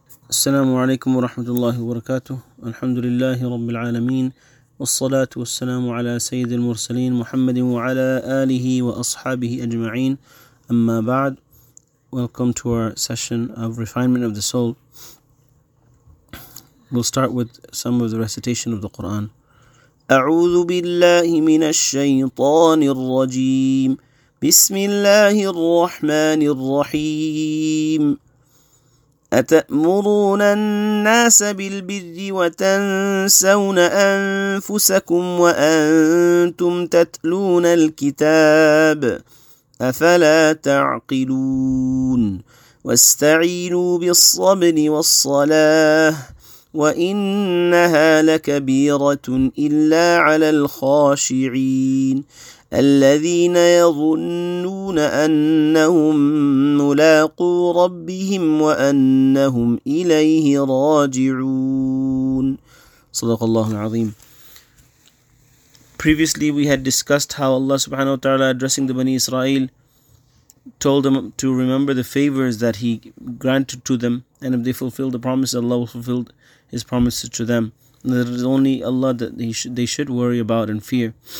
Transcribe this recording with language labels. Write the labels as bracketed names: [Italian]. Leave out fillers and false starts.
[Arabic] السلام عليكم ورحمة الله وبركاته الحمد لله رب العالمين والصلاة والسلام على سيد المرسلين محمد وعلى آله وأصحابه أجمعين أما بعد [English] Welcome to our session of refinement of the soul. We'll start with some of the recitation of the Quran. [Arabic] أعوذ بالله من الشيطان الرجيم بسم الله الرحمن الرحيم أتأمرون الناس بالبر وتنسون أنفسكم وأنتم تتلون الكتاب أفلا تعقلون واستعينوا بالصبر والصلاة وإنها لكبيرة إلا على الخاشعين الذين يظنون أنهم ملاقو ربهم وأنهم إليه راجعون صدق الله العظيم. [English] Previously we had discussed how Allah subhanahu wa ta'ala addressing the Bani Israel told them to remember the favors that he granted to them, and if they fulfilled the promise, Allah will fulfill his promises to them. And that it is only Allah that they should worry about and fear.